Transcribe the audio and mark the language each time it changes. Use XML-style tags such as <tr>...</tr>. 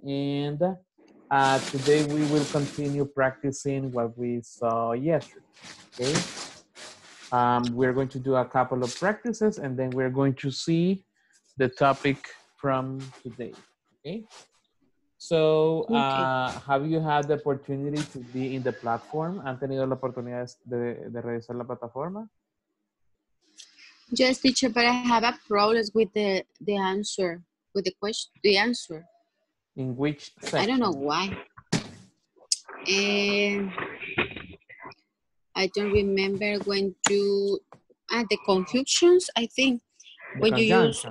<en>And today we will continue practicing what we saw yesterday. Okay. We're going to do a couple of practices, and then we're going to see the topic from today. Okay. So, have you had the opportunity to be in the platform?</en> <es>¿Han tenido la oportunidad de revisar la plataforma?</es> <en>Yes, teacher, but I have a problem with the answer, with the question, the answer. In which section? I don't know why. I don't remember when you, the confusions, I think, the when conjunction.</en>